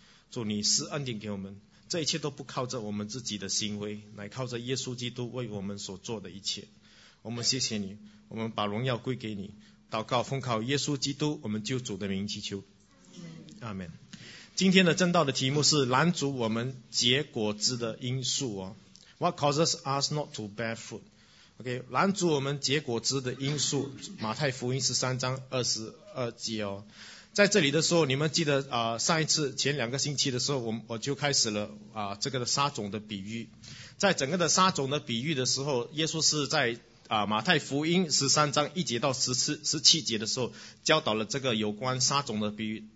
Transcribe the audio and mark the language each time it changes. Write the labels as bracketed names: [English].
[Chinese] 主，你施恩典给我们，这一切都不靠着我们自己的行为，乃靠着耶稣基督为我们所做的一切。我们谢谢你，我们把荣耀归给你。祷告奉靠耶稣基督我们救主的名祈求，阿们。今天的正道的题目是拦阻我们结果子的因素哦。 [English] What causes us not to bear fruit? [Chinese] Okay, 拦阻我们结果子的因素，马太福音13:22哦。在这里的时候，你们记得上一次前两个星期的时候，我就开始了这个的撒种的比喻。在整个的撒种的比喻的时候，耶稣是在马太福音13:1-17的时候教导了这个有关撒种的比喻。